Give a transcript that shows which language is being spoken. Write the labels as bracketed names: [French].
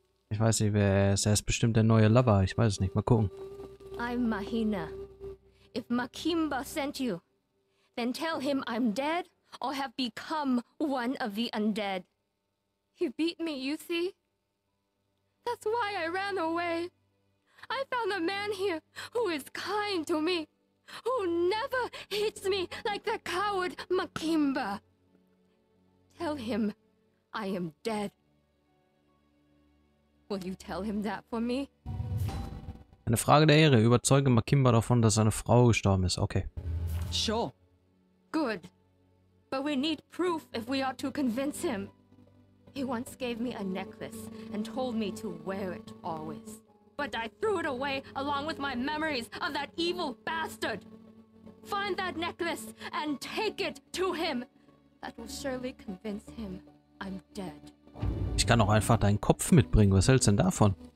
[German] Ich weiß nicht, wer er ist. Er ist bestimmt der neue Lover. Ich weiß es nicht. Mal gucken. [English] I'm Mahina. If Makimba sent you, then tell him I'm dead. Or have become one of the undead. He beat me, you see? That's why I ran away. I found a man here who is kind to me, who never hits me like the coward Makimba. Tell him I am dead. Will you tell him that for me? [German] Eine Frage der Ehre. Überzeuge Makimba davon, dass seine Frau gestorben ist. Okay. [English] Sure. Good. But we need proof if we are to convince him. He once gave me a necklace and told me to wear it always. But I threw it away along with my memories of that evil bastard. Find that necklace and take it to him. That will surely convince him I'm dead. [German] Ich kann auch einfach deinen Kopf mitbringen. Was hältst du denn davon?